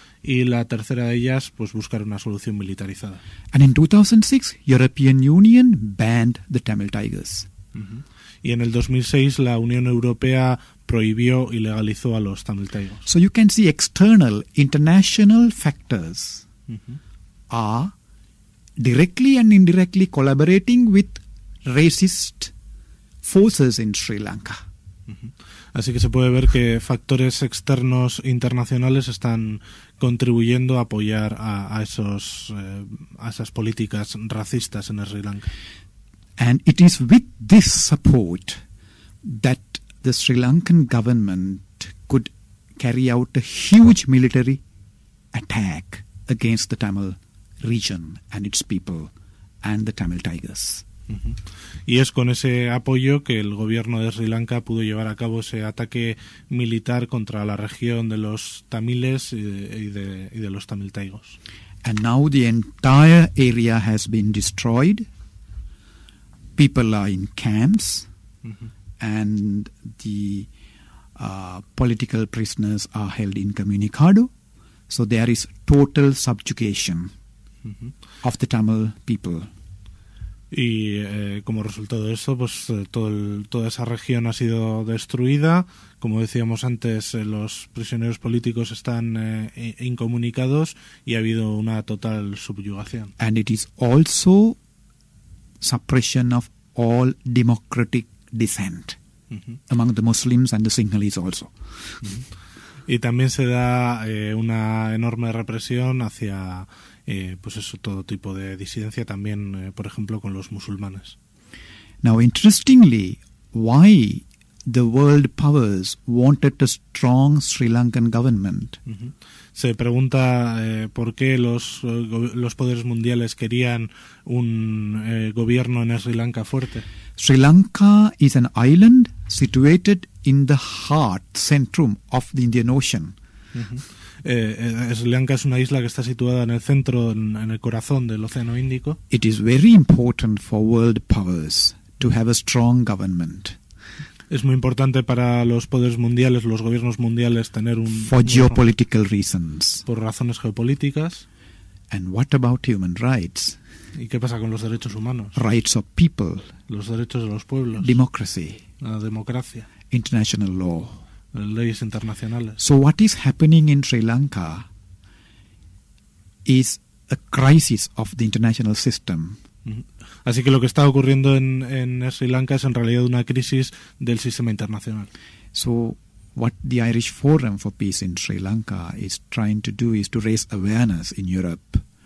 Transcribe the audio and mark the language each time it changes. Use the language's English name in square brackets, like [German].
[Spanish] Y la tercera de ellas, pues buscar una solución militarizada. [English] And in 2006, European Union banned the Tamil Tigers. Uh-huh. [Spanish] Y en el 2006 la Unión Europea prohibió y legalizó a los Tamil Tigers. [English] So you can see external, international factors uh-huh. are directly and indirectly collaborating with racist forces in Sri Lanka. [Spanish] Así que se puede ver que factores externos internacionales están contribuyendo a apoyar a esas políticas racistas en Sri Lanka. [English] And it is with this support that the Sri Lankan government could carry out a huge military attack against the Tamil region and its people and the Tamil Tigers. [Spanish] Uh-huh. Y es con ese apoyo que el gobierno de Sri Lanka pudo llevar a cabo ese ataque militar contra la región de los tamiles y de los Tamil Taigos. [English] And now the entire area has been destroyed. People are in camps uh-huh. and the political prisoners are held incommunicado. So there is total subjugation uh-huh. of the Tamil people. [Spanish] Y como resultado de eso, pues toda esa región ha sido destruida. Como decíamos antes, los prisioneros políticos están incomunicados y ha habido una total subyugación. [English] And it is also suppression of all democratic dissent uh-huh. among the Muslims and the Sinhalese also. Uh-huh. [Spanish] Y también se da una enorme represión hacia pues eso, todo tipo de disidencia también, por ejemplo, con los musulmanes. [English] Now, interestingly, why the world powers wanted a strong Sri Lankan government? Uh-huh. [Spanish] Se pregunta por qué los poderes mundiales querían un gobierno en Sri Lanka fuerte. [English] Sri Lanka is an island situated in the heart, centrum of the Indian Ocean. Uh-huh. [Spanish] Sri Lanka es una isla que está situada en el centro, en el corazón del Océano Índico. [English] It is very important for world powers to have a strong government. [Spanish] Es muy importante para los poderes mundiales, los gobiernos mundiales, tener un [English] for geopolitical reasons. [Spanish] Por razones geopolíticas. [English] And what about human rights? [Spanish] ¿Y qué pasa con los derechos humanos? [English] Rights of people. [Spanish] Los derechos de los pueblos. [English] Democracy. [Spanish] La democracia. [English] International law. [Spanish] Leyes internacionales. [English] So what is happening in Sri Lanka is a crisis of the international system. [Spanish] Así que lo que está ocurriendo en Sri Lanka es en realidad una crisis del sistema internacional. [English] So what the Irish Forum for Peace in Sri Lanka is trying to do is to raise awareness in Europe.